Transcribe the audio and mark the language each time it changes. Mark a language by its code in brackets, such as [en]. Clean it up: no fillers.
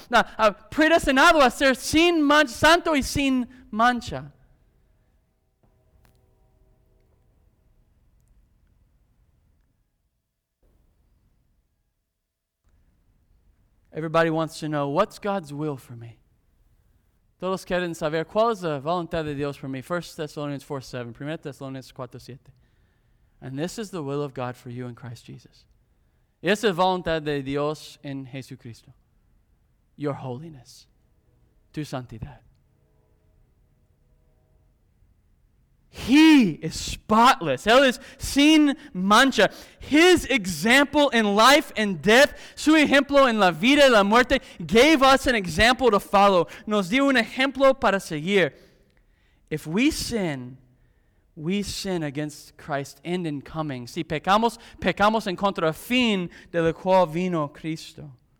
[es] Now, predestinado a ser sin mancha, santo y sin mancha. [en] Everybody wants to know, what's God's will for me? [es] Todos quieren saber, ¿cuál es la voluntad de Dios [en] for me? 1 Thessalonians 4:7, 1 Thessalonians 4:7. And this is the will of God for you in Christ Jesus. [es] Es la voluntad de Dios en Jesucristo. [en] Your holiness. [es] Tu santidad. [en] He is spotless. [es] Él es sin mancha. [en] His example in life and death, [es] su ejemplo en la vida y la muerte, [en] gave us an example to follow. [es] Nos dio un ejemplo para seguir. [en] If we sin, we sin against Christ's end and coming. [es] Si pecamos, pecamos en contra del fin del cual vino Cristo.